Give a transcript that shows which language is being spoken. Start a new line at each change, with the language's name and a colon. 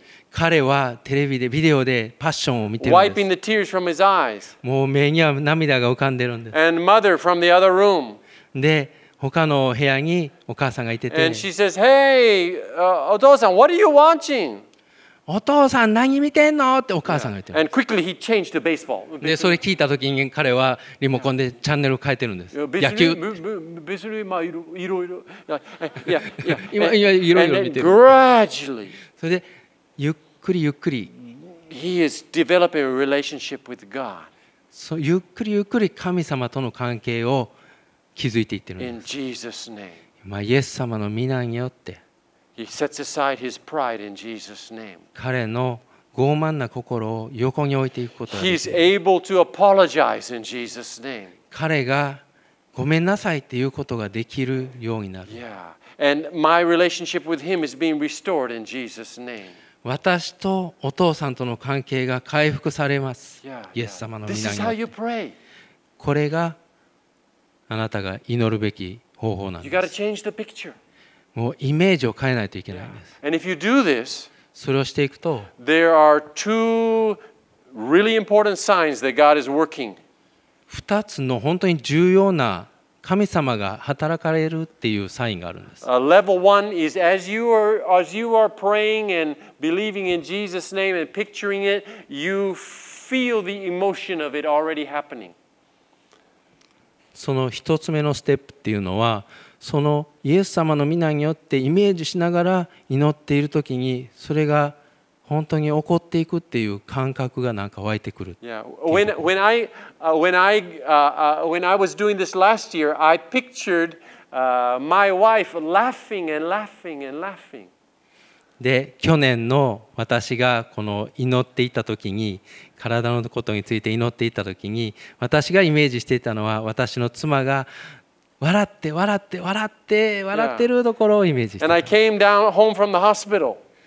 Japanese: 彼はテレビでビデオでパッションを見てるんです。もう目には涙が浮かんでるんです。で、他の部屋にお母さんがいてて。
English: And she says, "Hey, お父さん、what are you watching?
Japanese: お父さん何見てんの? ってお母さんが言ってます。Yeah. で、それ聞いたときに彼はリモコンでチャンネル変えてるんです。野球。別に、まあ、いろいろ。いや、いや、いろいろ見てる。
English: Gradually,
Japanese: それで、ゆっくりゆっくり。
English: He is developing a relationship with God.
Japanese: そう、ゆっくりゆっくり神様との関係を築いていってるんです。
English: In Jesus' name.
Japanese: まあ、イエス様の御名によって。
English: He sets aside his pride in Jesus' name.
Japanese: 彼の傲慢な心を横に置いていくことができる。
English: He's able to apologize in Jesus' name.
Japanese: 彼がごめんなさいっていうことができるようになる。
English: Yeah. And my relationship with him is being restored in Jesus' name.
Japanese: 私とお父さんとの関係が回復されます。イエス様の御名によって。
English: This is how you pray.
Japanese: これがあなたが祈るべき方法なんです。
English: You got to change the picture.
Japanese: もうイメージを変えないといけないんです。
English: And if you do this,
Japanese: それをしていくと、
English: there are two really important signs that God is working.
Japanese: 二つの本当に重要な神様が働かれるっていうサインがあるんです。
English: Level one is as you are praying and believing in Jesus' name and picturing it, you feel the emotion of it already happening.
Japanese: その一つ目のステップっていうのは。そのイエス様の御名によってイメージしながら祈っているときにそれが本当に起こっていくっていう感覚がなんか湧いてくる。
English: Yeah. When I was doing this last year, I pictured my wife laughing and laughing and laughing.
Japanese: で、去年の私がこの祈っていたときに体のことについて祈っていたときに私がイメージしていたのは私の妻が笑って笑って笑って笑ってるところをイメージして。
English: And I came down home from the hospital.